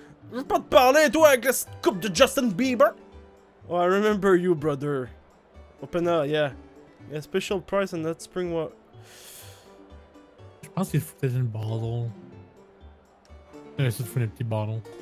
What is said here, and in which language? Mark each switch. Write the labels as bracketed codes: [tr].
[fr] Je veux pas te parler, toi, avec la coupe de Justin Bieber. [en] Oh, I remember you, brother. Open up, yeah. Yeah, special price on that spring water. [fr] Je pense qu'il faut une bottle. Ouais, ça te fait une petite bottle.